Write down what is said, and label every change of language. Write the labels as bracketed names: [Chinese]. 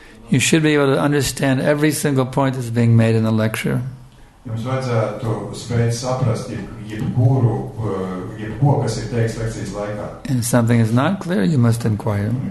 [English] You should be able to understand every single point that's being made in the lecture. [Latvian] Jums vajadzētu spēt saprast jebkuru, jebko, kas ir teiks lekcijas laikā. [English] And if something is not clear, you must inquire.